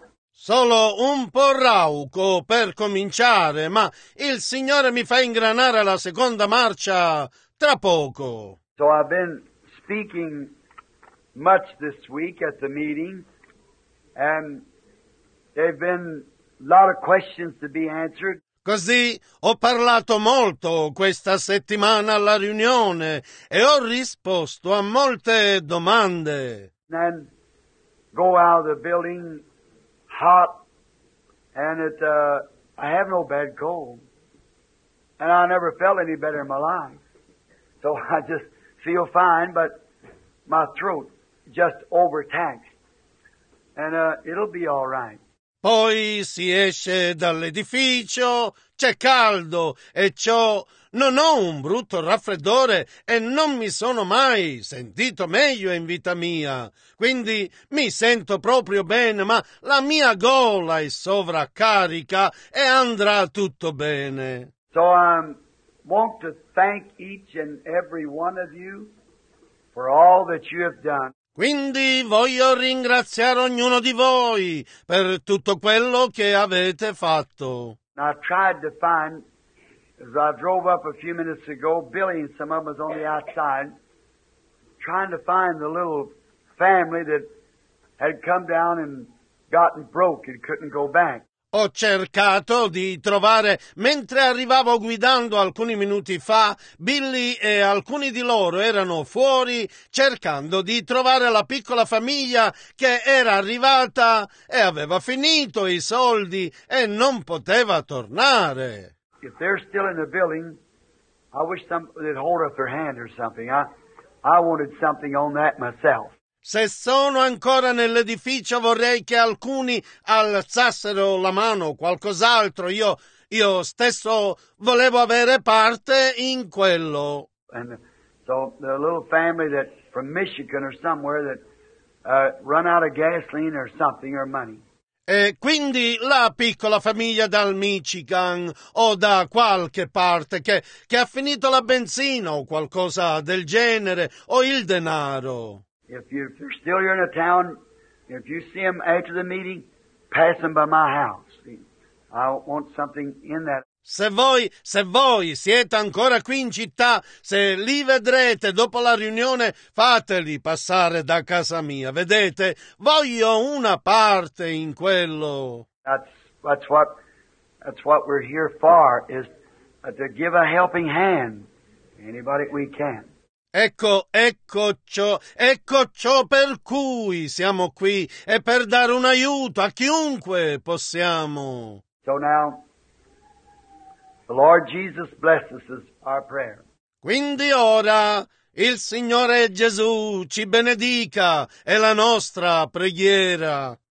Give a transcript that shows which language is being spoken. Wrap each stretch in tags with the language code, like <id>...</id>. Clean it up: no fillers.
<it>Solo un po' rauco per cominciare, ma il Signore mi fa ingranare la seconda marcia tra poco.</it> <en>So I've been speaking much this week at the meeting, and there have been a lot of questions to be answered.</en> <it>Così ho parlato molto questa settimana alla riunione e ho risposto a molte domande.</it> <en>And go out of the building hot, and I have no bad cold, and I never felt any better in my life, so I just feel fine, but my throat just overtaxed, and it'll be all right.</en> <it>Poi si esce dall'edificio, c'è caldo, e ciò non ho un brutto raffreddore e non mi sono mai sentito meglio in vita mia. Quindi mi sento proprio bene, ma la mia gola è sovraccarica e andrà tutto bene.</it> <en>So I want to thank each and every one of you for all that you have done.</en> <it>Quindi voglio ringraziare ognuno di voi per tutto quello che avete fatto.</it> <en>I tried to find, as I drove up a few minutes ago, Billy and some of them was on the outside, trying to find the little family that had come down and gotten broke and couldn't go back.</en> <it>Ho cercato di trovare, mentre arrivavo guidando alcuni minuti fa, Billy e alcuni di loro erano fuori cercando di trovare la piccola famiglia che era arrivata e aveva finito i soldi e non poteva tornare.</it> <en>If they're still in the building, I wish somebody would hold up their hand or something. I wanted something on that myself.</en> <it>Se sono ancora nell'edificio vorrei che alcuni alzassero la mano o qualcos'altro. Io stesso volevo avere parte in quello.</it> <en>And so the little family that from Michigan or somewhere that run out of gasoline or something or money.</en> <it>E quindi la piccola famiglia dal Michigan o da qualche parte che ha finito la benzina o qualcosa del genere o il denaro.</it> <en>If you're still here in a town, if you see them after the meeting, pass them by my house. I want something in that.</en> <it>Se voi siete ancora qui in città, se li vedrete dopo la riunione, fateli passare da casa mia. Vedete, voglio una parte in quello.</it> <en>That's what we're here for, is to give a helping hand to anybody we can.</en> <it>Ecco ciò per cui siamo qui, e per dare un aiuto a chiunque possiamo.</it> <en>So now, the Lord Jesus blesses our prayer.</en> <it>Quindi ora il Signore Gesù ci benedica, è la nostra preghiera.</it>